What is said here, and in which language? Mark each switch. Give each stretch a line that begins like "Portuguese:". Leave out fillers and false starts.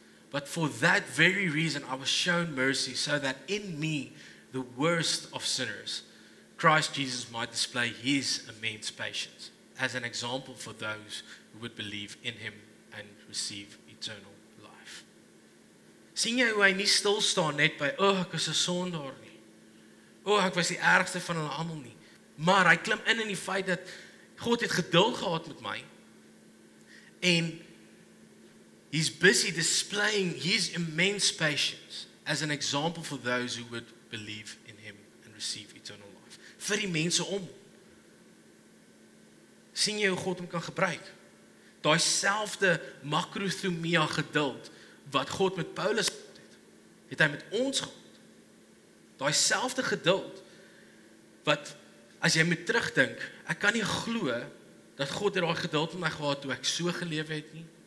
English: But for that very reason, I was shown mercy so that in me, the worst of sinners, Christ Jesus might display his immense patience as an example for those who would believe in him and receive eternal life.
Afrikaans: Sien jy hoe hy nie stil staan net by, oh, ek is 'n sondaar nie. Oh, ek was die ergste van hulle allemaal nie. Maar hy klim in die feit dat God het geduld gehad met my en
English: he's busy displaying his immense patience as an example for those who would believe in him and receive eternal life.
Afrikaans: Vir die mense om. Sien jy hoe God hom kan gebruik? Daai selfde makrothumia geduld wat God met Paulus gehad het, het hy met ons gehad. Daai selfde geduld wat, as jy moet terugdink, ek kan nie glo dat God het daai geduld met my gehad toe ek so geleef het nie.